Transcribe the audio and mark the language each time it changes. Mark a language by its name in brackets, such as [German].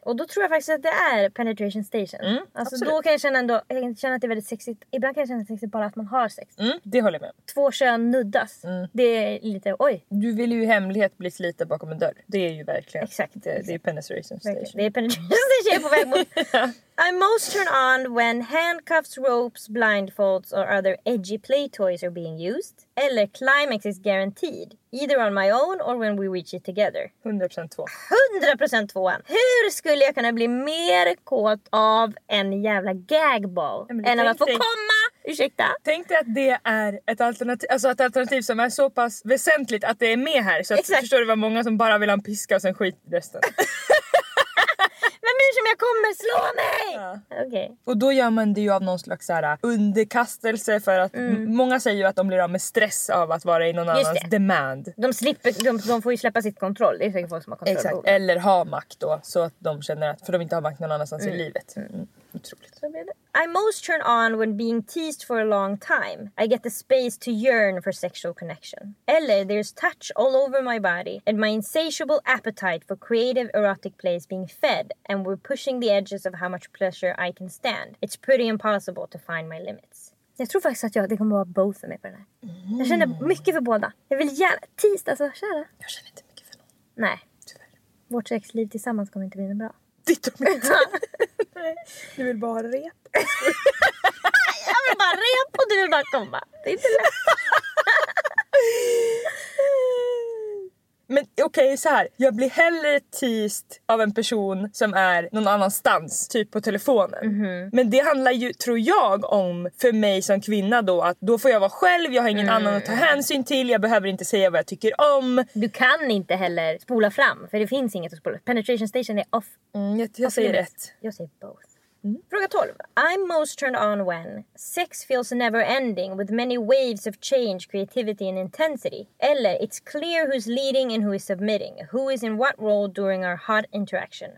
[Swedish] Och då tror jag faktiskt att det är penetration station. Mm, alltså absolut. Då kan jag känna ändå, jag kan känna att det är väldigt sexigt. Ibland kan jag känna sexigt bara att man har sex. Mm, det håller jag med. Två kön nuddas. Mm. Det är lite, oj. Du vill ju i hemlighet bli slita bakom en dörr. Det är ju verkligen. Exakt. Det är penetration station. Det är penetration station på väg mot. [English] I'm most turned on when handcuffs, ropes, blindfolds or other edgy play toys are being used. [Swedish] Eller [English] climax is guaranteed. Either on my own or when we reach it together. [Swedish] 100% två. 100% tvåan. Hur skulle jag kunna bli mer kåt av en jävla gagball än att få komma? Ursäkta. Tänk dig att det är ett alternativ, alltså ett alternativ som är så pass väsentligt att det är med här. Så att, förstår du vad många som bara vill ha en piska och sen skit resten. Som jag kommer slå mig. Ja. Okay. Och då gör man det ju av någon slags så här underkastelse för att många säger ju att de blir av med stress av att vara i någon just annans det. Demand. De får ju släppa sitt kontroll. Det är säkert folk som har kontroll. Exakt. Eller ha makt då så att de känner att för de inte har makt någon annanstans i livet. Mm. Otroligt. [English] I most turn on when being teased for a long time. I get the space to yearn for sexual connection. [Swedish] Eller [English] there's touch all over my body and my insatiable appetite for creative erotic play is being fed and we're pushing the edges of how much pleasure I can stand. It's pretty impossible to find my limits. [Swedish] Jag tror faktiskt att det kommer vara both för mig på den här. Jag känner mycket för båda. Jag vill gärna teased, alltså kära. Jag känner inte mycket för någon. Nej. Tyvärr. Vårt sexliv tillsammans kommer inte bli bra. Ditt och mitt. Du vill bara rep. Jag vill bara rep och du vill bara komma. Det är inte lätt. Men okej, okay, så här. Jag blir hellre teased av en person som är någon annanstans, typ på telefonen. Mm-hmm. Men det handlar ju, tror jag, om för mig som kvinna då. Att då får jag vara själv, jag har ingen annan att ta hänsyn till. Jag behöver inte säga vad jag tycker om. Du kan inte heller spola fram, för det finns inget att spola. Penetration station är off. Mm, jag säger rätt. Jag säger both. Fråga 12. [English] I'm most turned on when sex feels never ending with many waves of change, creativity and intensity. [Swedish] Eller [English] it's clear who's leading and who is submitting. Who is in what role during our hot interaction.